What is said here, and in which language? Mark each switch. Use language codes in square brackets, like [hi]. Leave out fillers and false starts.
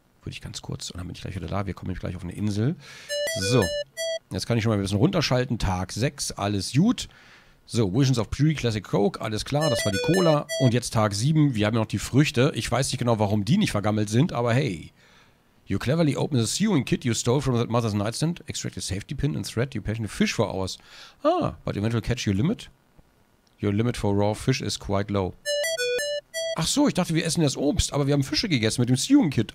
[de] Würde ich ganz kurz, und dann bin ich gleich wieder da, wir kommen gleich auf eine Insel. So, jetzt kann ich schon mal ein bisschen runterschalten, Tag 6, alles gut. So, [en] Visions of Pre-Classic Coke, [de] alles klar, das war die Cola. Und jetzt Tag 7, wir haben ja noch die Früchte, ich weiß nicht genau, warum die nicht vergammelt sind, aber hey. [en] You cleverly open the sewing kit you stole from that mother's nightstand, extract a safety pin and thread your passion to fish for hours. Ah, but eventually catch your limit. Your limit for raw fish is quite low. [de] Ach so, ich dachte, wir essen das Obst, aber wir haben Fische gegessen mit dem Sewing Kit.